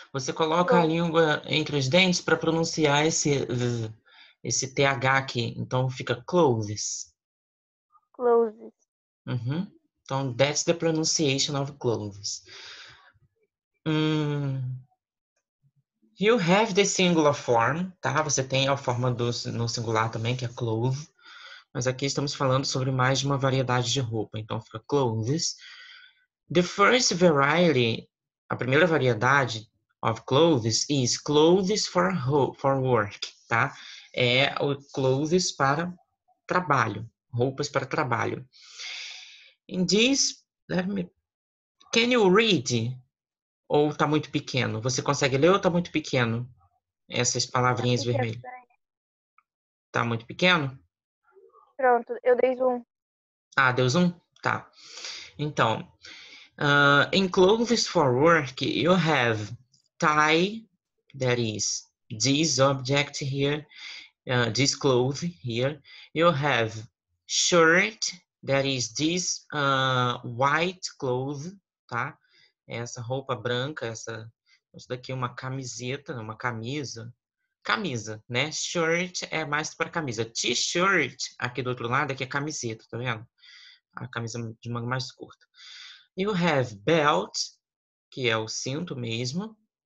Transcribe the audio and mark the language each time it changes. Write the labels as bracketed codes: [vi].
[pt] Você coloca a língua entre os dentes para pronunciar esse TH aqui. Então, fica clothes. [en] Closes. Então, that's the pronunciation of clothes. You have the singular form, tá? [pt] Você tem a forma no singular também, que é clothes. Mas aqui estamos falando sobre mais de uma variedade de roupa. [en] Então, fica clothes. The first variety, [pt] a primeira variedade [en] of clothes, is clothes for work, tá? [pt] É o clothes para trabalho, roupas para trabalho. [en] In this, can you read? [pt] Ou tá muito pequeno? Você consegue ler ou tá muito pequeno? Essas palavrinhas vermelhas. Tá muito pequeno? Pronto, eu dei zoom. Ah, deu zoom? Tá. [en] Então, in clothes for work, you have tie, that is this object here, this clothes here. You have shirt, that is this white clothes, tá? [pt] Essa roupa branca, essa daqui é uma camiseta, uma camisa. Camisa, né? Shirt é mais para camisa. T-shirt, aqui do outro lado, aqui é camiseta, tá vendo? A camisa de manga mais curta. [en] You have belt, [pt] que é o cinto mesmo.